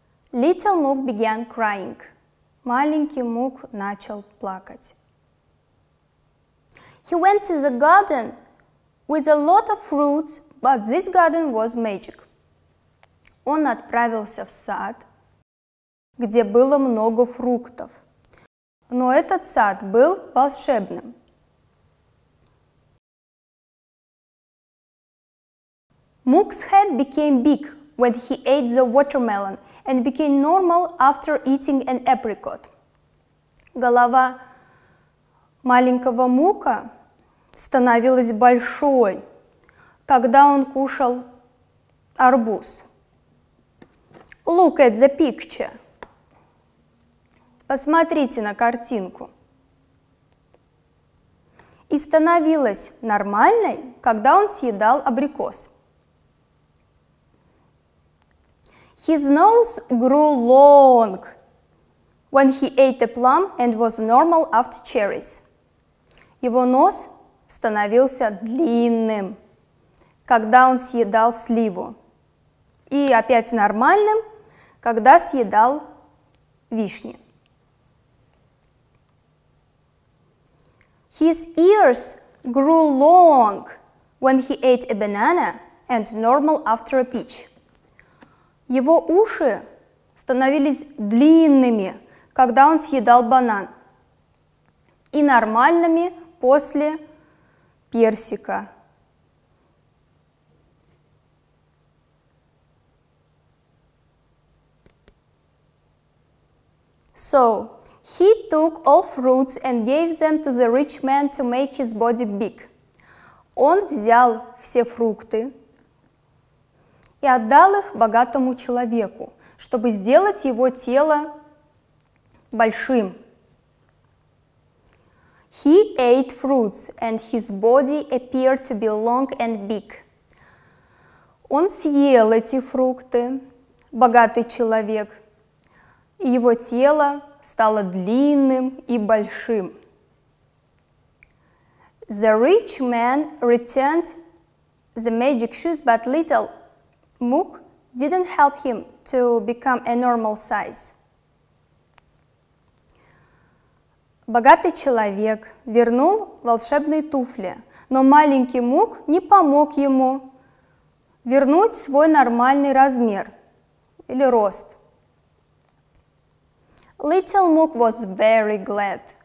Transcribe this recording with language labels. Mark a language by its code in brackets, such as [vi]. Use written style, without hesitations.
[en] Little Mook began crying. [ru] Маленький Мук начал плакать. [en] He went to the garden with a lot of fruits, but this garden was magic. [ru] Он отправился в сад, где было много фруктов. Но этот сад был волшебным. [en] Mook's head became big when he ate the watermelon and became normal after eating an apricot. [ru] Голова маленького Мука становилась большой, когда он кушал арбуз. [en] Look at the picture. Посмотрите на картинку. [ru] И становилась нормальной, когда он съедал абрикос. [en] His nose grew long when he ate a plum and was normal after cherries. [ru] Его нос становился длинным, когда он съедал сливу. И опять нормальным, когда съедал вишни. [en] His ears grew long when he ate a banana and normal after a peach. [ru] Его уши становились длинными, когда он съедал банан, и нормальными после персика. [en] So, he took all fruits and gave them to the rich man to make his body big. [ru] Он взял все фрукты и отдал их богатому человеку, чтобы сделать его тело большим. [en] He ate fruits, and his body appeared to be long and big. [ru] Он съел эти фрукты, богатый человек. Его тело стало длинным и большим. [en] The rich man returned the magic shoes, but little Mook didn't help him to become a normal size. [ru] Богатый человек вернул волшебные туфли, но маленький Мук не помог ему вернуть свой нормальный размер или рост. [en] Little Mook was very glad.